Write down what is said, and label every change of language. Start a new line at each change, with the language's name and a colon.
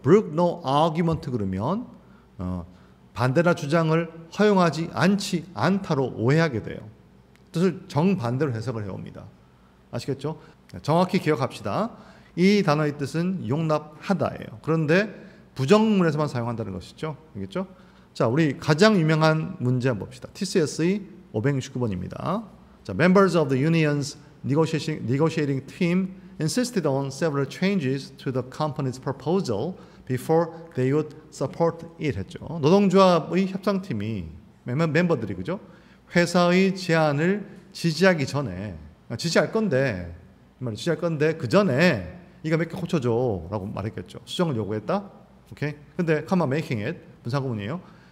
English: brook no argument
Korean: 그러면 반대나 주장을 허용하지 않지 않다로 오해하게 돼요. 뜻을 정반대로 해석을 해옵니다. 아시겠죠? 정확히 기억합시다. 이 단어의 뜻은 용납하다예요. 그런데 부정문에서만 사용한다는 것이죠. 알겠죠? 자, 우리 가장 유명한 문제 한번 봅시다. TCS의 569번입니다.
English: 자, members of the union's negotiating team insisted on several changes to the company's proposal before they would support it
Korean: 했죠. 노동조합의 협상팀이 멤버들이 그죠? 회사의 제안을 지지하기 전에 지지할 건데 그 전에 이거 몇 개 고쳐줘라고 말했겠죠. 수정을 요구했다. 오케이. 근데
English: comma making it
Korean: 분사구문이에요.